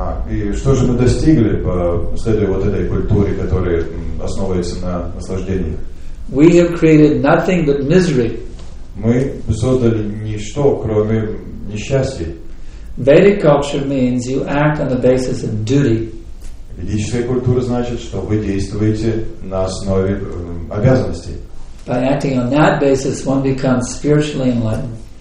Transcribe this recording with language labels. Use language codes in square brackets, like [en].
[ru] И что же мы достигли, следуя вот этой культуре, которая основывается на наслаждениях? [en] We have created nothing but misery. [ru] Мы создали ничто, кроме несчастья. [en] Vedic culture means you act on the basis of duty. [ru] Ведическая культура значит, что вы действуете на основе обязанностей. [en] By acting on that basis, one becomes spiritually enlightened.